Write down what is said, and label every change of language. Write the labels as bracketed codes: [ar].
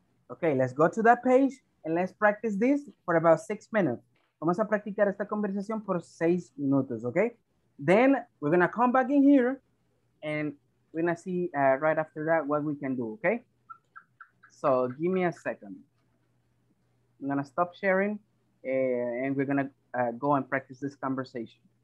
[en] Okay, let's go to that page and let's practice this for about 6 minutes. [es] Vamos a practicar esta conversación por 6 minutos, okay? [en] Then we're gonna come back in here and we're gonna see right after that what we can do, okay? So give me a second. I'm gonna stop sharing and we're gonna go and practice this conversation.